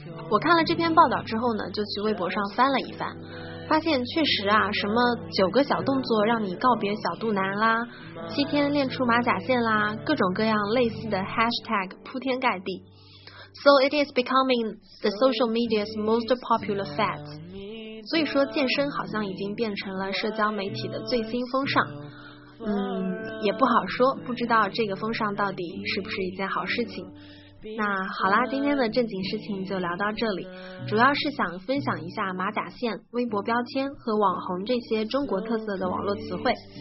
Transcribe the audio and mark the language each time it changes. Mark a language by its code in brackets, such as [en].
[zh] 我看了这篇报道之后呢，就去微博上翻了一翻，发现确实啊，什么九个小动作让你告别小肚腩啦，七天练出马甲线啦，各种各样类似的 hashtag 铺天盖地。 [en] So it is becoming the social media's most popular fad. [zh] 所以说健身好像已经变成了社交媒体的最新风尚。也不好说，不知道这个风尚到底是不是一件好事情。那好啦，今天的正经事情就聊到这里，主要是想分享一下马甲线、微博标签和网红这些中国特色的网络词汇。